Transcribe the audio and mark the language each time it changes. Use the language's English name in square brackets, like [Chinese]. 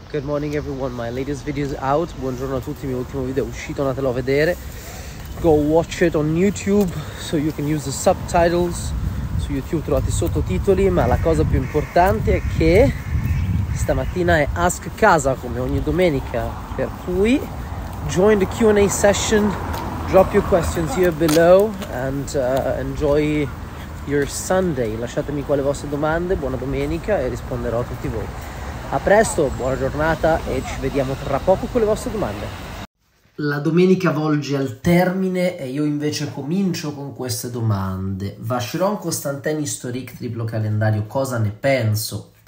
[English] Good morning everyone, my latest video is out. [Italian] Buongiorno a tutti, il mio ultimo video è uscito, andatelo a vedere. [English] Go watch it on YouTube so you can use the subtitles. [Italian] Su YouTube trovate i sottotitoli, ma la cosa più importante è che stamattina è Ask Casa, come ogni domenica. Per cui, [English] join the Q&A session, drop your questions here below and enjoy your Sunday. [Italian] Lasciatemi qua le vostre domande, buona domenica e risponderò a tutti voi. A presto, buona giornata e ci vediamo tra poco con le vostre domande. La domenica volge al termine e io invece comincio con queste domande. Vacheron Constantin Historique triplo calendario, cosa ne penso?